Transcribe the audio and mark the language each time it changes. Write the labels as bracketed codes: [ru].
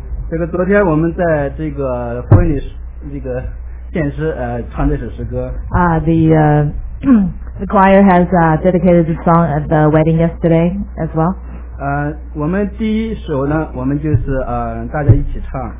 [zh] 这个昨天我们在这个婚礼这个献诗唱这首诗歌。 [en] The choir has dedicated the song at the wedding yesterday as well. [zh] 我们第一首呢，我们就是大家一起唱。